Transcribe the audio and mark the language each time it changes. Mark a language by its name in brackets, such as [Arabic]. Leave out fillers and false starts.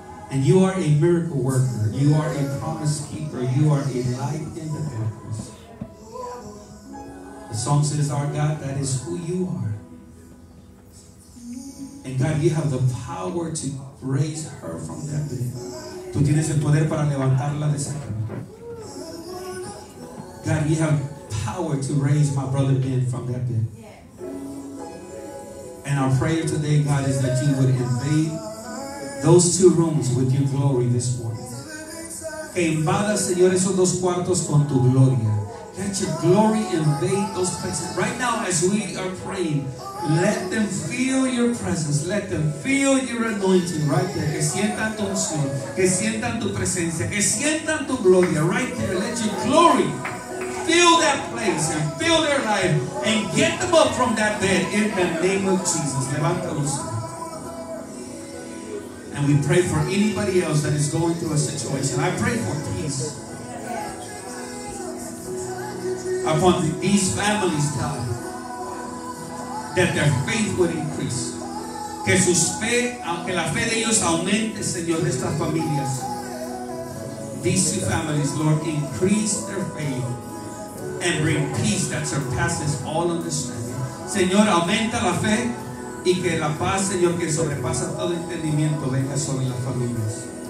[English] And you are a miracle worker. You are a promise keeper. You are a light in the darkness. The song says, our God, that is who you are. And God, you have the power to raise her from that bed. [Spanish] Tú tienes el poder para levantarla de esa cama. [English] God, you have power to raise my brother Ben from that bed. And our prayer today, God, is that you would invade those two rooms with your glory this morning. [Spanish] Que invada, Señor, esos dos cuartos con tu gloria. [English] Let your glory invade those places. Right now, as we are praying, let them feel your presence. Let them feel your anointing right there. [Spanish] Que sientan tu unción. Que sientan tu presencia. Que sientan tu gloria [English] right there. Let your glory fill that place and fill their life and get them up from that bed in the name of Jesus. [Spanish] Levántalos. [English] And we pray for anybody else that is going through a situation. I pray for peace upon these families, God, that their faith would increase. [Spanish] Que su fe, aunque la fe de ellos aumente, Señor, de estas familias. [English] These two families, Lord, increase their faith and bring peace that surpasses all understanding. [Spanish] Señor, aumenta la fe y que la paz, Señor, que sobrepasa todo entendimiento, venga sobre las familias.